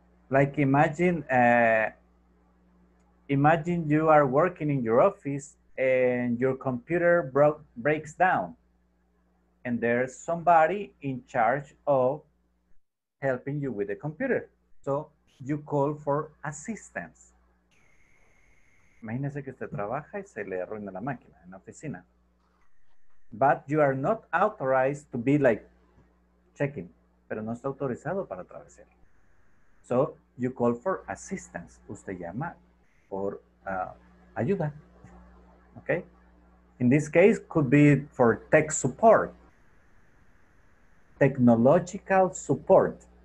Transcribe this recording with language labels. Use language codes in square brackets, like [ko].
[en] Like imagine you are working in your office and your computer breaks down and there's somebody in charge of helping you with the computer. So you call for assistance. [es] Imagínese que usted trabaja y se le arruina la máquina en la oficina. [en] But you are not authorized to be like checking. [es] Pero no está autorizado para travesear. [en] So you call for assistance. [es] Usted llama por ayuda. Okay? [en] In this case, could be for tech support. Technological support.